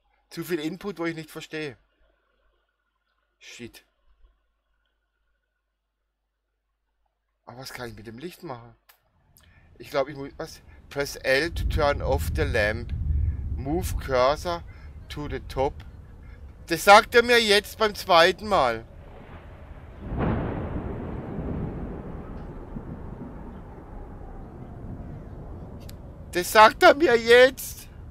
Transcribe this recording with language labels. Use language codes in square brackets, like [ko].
[de] Zu viel Input, wo ich nicht verstehe. Shit. Aber was kann ich mit dem Licht machen? Ich glaube, ich muss... Was? [en] Press L to turn off the lamp. Move cursor to the top. [de] Das sagt er mir jetzt beim zweiten Mal. Das sagt er mir jetzt.